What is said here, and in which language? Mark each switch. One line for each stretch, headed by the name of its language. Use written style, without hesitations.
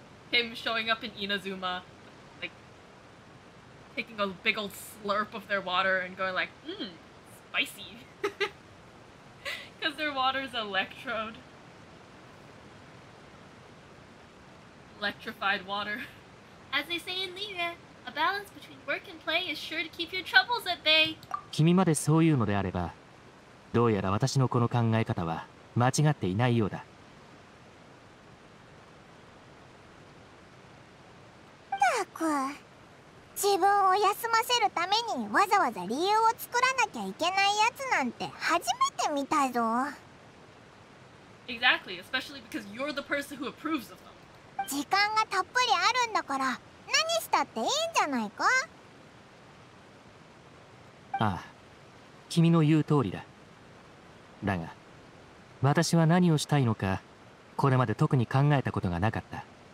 English: Him showing up in Inazuma, like taking a big old slurp of their water and going like, spicy. Because their water's electrode. Electrified water. As they say in Liyue, a balance between work and play is sure to keep your troubles at bay.
Japanese: 君までそういうのであれば、どうやら私のこの考え方は間違っていないようだ。自分を休ませるためにわざわざ理由を作らなきゃいけないやつなんて初めて見たぞ。
English: Exactly, especially because you're the person who approves of them.
Japanese: 時間がたっぷりあるんだから何したっていいんじゃないか。ああ、君の言う通りだ。だが、私は何をしたいのかこれまで特に考えたことがなかった。